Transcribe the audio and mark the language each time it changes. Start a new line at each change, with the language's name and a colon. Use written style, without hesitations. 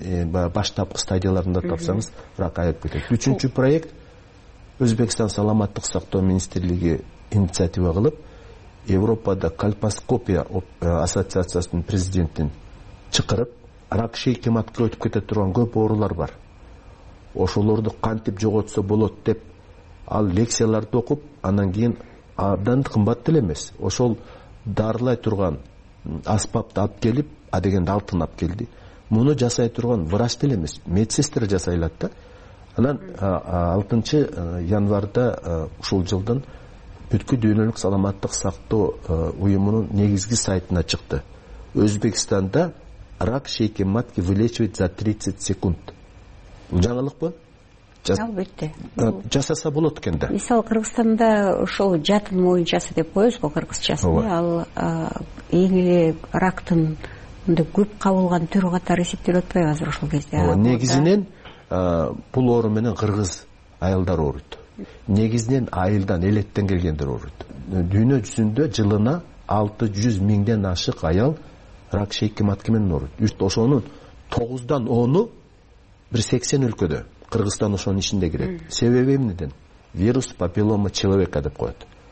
Kyrgyz: Баштапкы стадияларында тапсаңыз рак айып кетет. Үчүнчү проект Өзбекстан саламаттык сактоо министрлиги инициатива кылып, Европада кальпоскопия ассоциациясынын президентин чакырып, рак шейки матка өтүп кете турган көп оорулар бар, ошолорду кантип жоготсо болот деп ал лекцияларды окуп, анан кийин абдан кымбат деле эмес, ошол дарылай турган аспапты алып келип, адегенде алтын алып келди. Муну жасай турган врач деле эмес, медсестер жасай алат да. Анан 6 январда ушул жылдын бүткү дүйнөлүк саламаттык сактоо уюмунун негизги сайтына чыкты.
Russian: Өзбекстанда рак шейки матки вылечивает за 30 секунд.
Kyrgyz: Бул жаңылыкпы? Албетте, жасаса болот экен да. Мисалы Кыргызстанда ошол жатын моюнчасы деп коебуз го, кыргызчасы, ал эң эле рактын мындай көп кабылган түрү катары эсептелип атпайбы азыр ошол кезде? Негизинен бул оору менен кыргыз айылдар ооруйт. Негизинен айылдан, элеттен келгендер ооруйт. Дүйнө жүзүндө жылына 600,000 ашык аял рак шейки матки менен ооруйт. Үч ошонун 9-10 бир 80 өлкөдө, Кыргызстан ошонун ичинде кирет. Себеби эмнеден?
Russian: Вирус папиллома человека
Kyrgyz: деп коет.